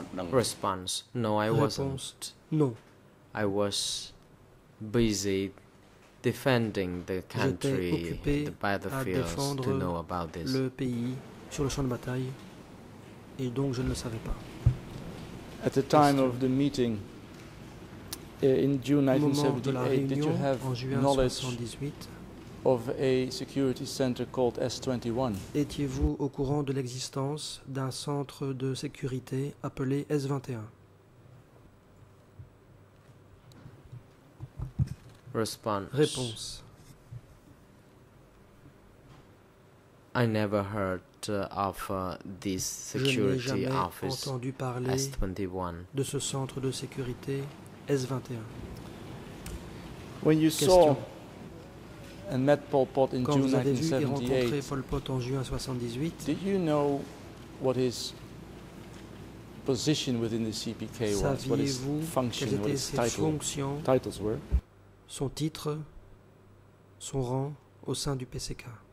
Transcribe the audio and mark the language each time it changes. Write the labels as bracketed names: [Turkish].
[English] Response. No, I wasn't. No. I was busy defending the country, the battlefield, to know about this. [French] Le pays sur le champ de bataille, et donc je ne le savais pas. [English] At the time of the meeting in June 1978, did you have knowledge of a security center called S21? [French] Étiez-vous au courant de l'existence d'un centre de sécurité appelé S21? Réponse. [English] I never heard of this security office. [French] Je n'ai jamais entendu parler de ce centre de sécurité S21. [English] When you saw and met Pol Pot in [French] quand [English] June [French] 1978. Et Pol Pot en juin 78, [English] did you know what his position within the CPK was? What his function, what his titles were? [French] Son titre, son rang au sein du PCK.